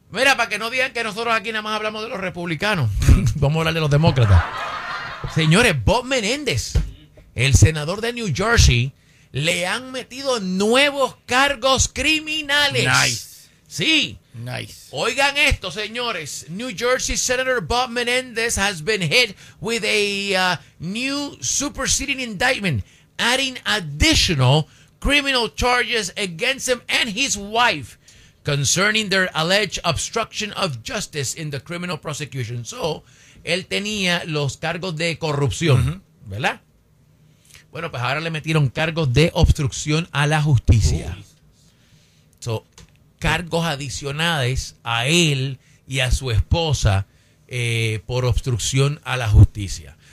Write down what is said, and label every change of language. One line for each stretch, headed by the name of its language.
Spanish: Mira, para que no digan que nosotros aquí nada más hablamos de los republicanos, vamos a hablar de los demócratas. Señores, Bob Menéndez, el senador de New Jersey, le han metido nuevos cargos criminales.
English: Nice.
Spanish: Oigan esto, señores.
English: New Jersey Senator Bob Menéndez has been hit with a new superseding indictment, adding additional criminal charges against him and his wife concerning their alleged obstruction of justice in the criminal prosecution.
Spanish: So, él tenía los cargos de corrupción, mm-hmm. ¿verdad? Bueno, pues ahora le metieron cargos de obstrucción a la justicia. So, cargos adicionales a él y a su esposa por obstrucción a la justicia.